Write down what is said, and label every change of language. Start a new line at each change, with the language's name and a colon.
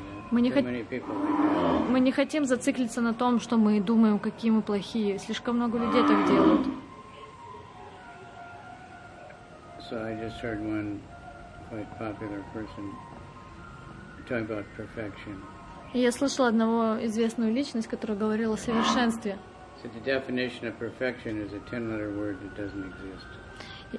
Russian: Мы не хотим зациклиться на том, что мы думаем, какие мы плохие. Слишком много людей так делают.
English: So I just heard one quite popular person talking about perfection.
Russian: Я слышала одного известную личность, которая говорила о совершенстве.
English: So the definition of perfection is a 10-letter word that doesn't exist.